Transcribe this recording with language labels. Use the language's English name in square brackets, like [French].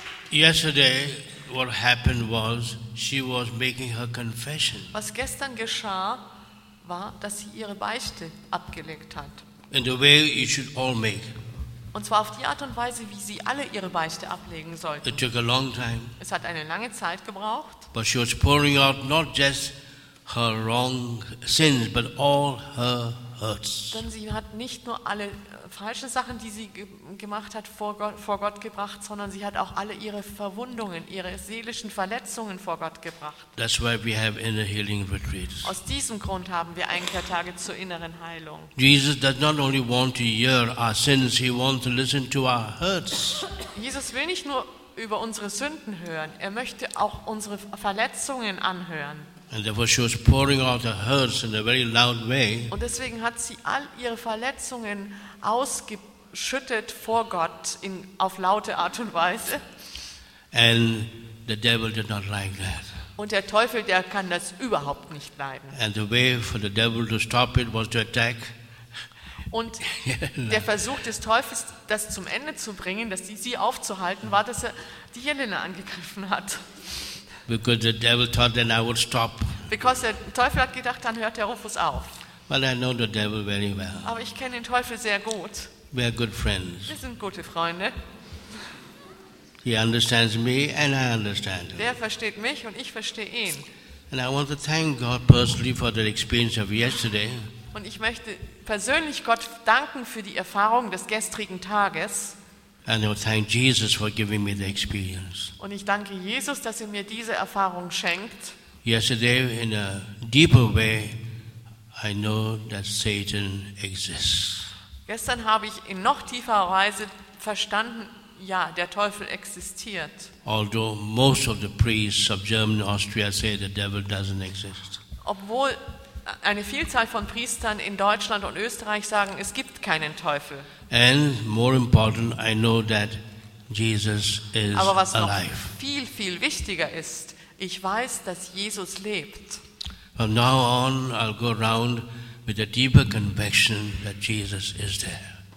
[English] Yesterday, what happened was she was making her confession. [German] Was gestern geschah, war, dass sie ihre Beichte abgelegt hat. [English] In the way you should all make. [German] Und zwar auf die Art und Weise, wie sie alle ihre Beichte ablegen sollten. [English] It took a long time. [German] Es hat eine lange Zeit gebraucht. [English] But she was pouring out not just her wrong sins, but all her hurts. [German] Denn sie hat nicht nur alle falschen Sachen, die sie gemacht hat, vor Gott gebracht, sondern sie hat auch alle ihre Verwundungen, ihre seelischen Verletzungen vor Gott gebracht. [English] That's why we have inner healing retreats. [German] Aus diesem Grund haben wir Einkehrtage zur inneren Heilung. [English] Jesus does not only want to hear our sins, he wants to listen to our hurts. [German] Jesus will nicht nur über unsere Sünden hören, er möchte auch unsere Verletzungen anhören. [English] And therefore she was pouring out her hurts in a very loud way. [German] Und deswegen hat sie all ihre Verletzungen ausgeschüttet vor Gott in auf laute Art und Weise. [English] And the devil did not like that. [German] Und der Teufel, der kann das überhaupt nicht leiden. [English] And the way for the devil to stop it was to attack. [German] Und der Versuch des Teufels, das zum Ende zu bringen, dass sie aufzuhalten, war, dass er die Jelena angegriffen hat. [English] Because the devil thought then I would stop. Because [German] der Teufel hat gedacht, dann hört der Rufus auf. [English] But I know the devil very well. [German] Aber ich kenne den Teufel sehr gut. [English] We are good friends. [German] Wir sind gute Freunde. [English] He understands me and I understand him. [German] Der versteht mich und ich verstehe ihn. [English] And I want to thank God personally for the experience of yesterday. [German] Und ich möchte persönlich Gott danken für die Erfahrung des gestrigen Tages. [English] And I thank Jesus for giving me the experience. [German] Und ich danke Jesus, dass er mir diese Erfahrung schenkt. [English] Yesterday, in a deeper way, I know that Satan exists. [German] Gestern habe ich in noch tieferer Weise verstanden, ja, der Teufel existiert. [English] Although most of the priests of Germany, Austria say the devil doesn't exist. [German] Obwohl eine Vielzahl von Priestern in Deutschland und Österreich sagen, es gibt keinen Teufel. [English] And more important, I know that Jesus is alive. [German] Aber was noch viel, viel wichtiger ist, ich weiß, dass Jesus lebt. [English] From now on, I'll go around with a deeper conviction that Jesus is there.